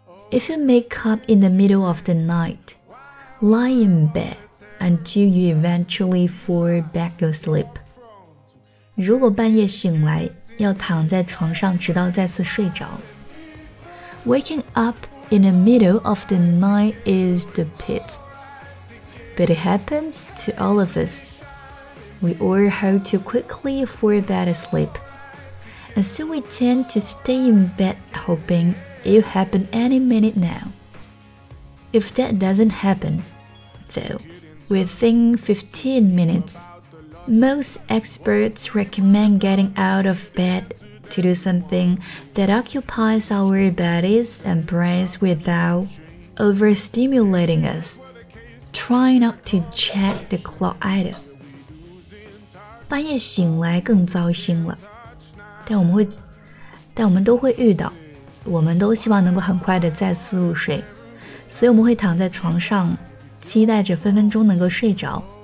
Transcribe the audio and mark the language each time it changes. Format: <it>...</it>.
<en>If you wake up in the middle of the night, lie in bed until you eventually fall back asleep.</en> <zh>如果半夜醒来，要躺在床上直到再次睡着。</zh> <en>Waking up in the middle of the night is the pit, but it happens to all of us. We all hope to quickly fall back asleep. And so we tend to stay in bed hoping it'll happen any minute now. If that doesn't happen, though, within 15 minutes, most experts recommend getting out of bed to do something that occupies our bodies and brains without overstimulating us. Try not to check the clock either.</en> <zh>半夜醒来更糟心了，但我们都会遇到，我们都希望能够很快的再次入睡，所以我们会躺在床上，期待着分分钟能够睡着。</zh>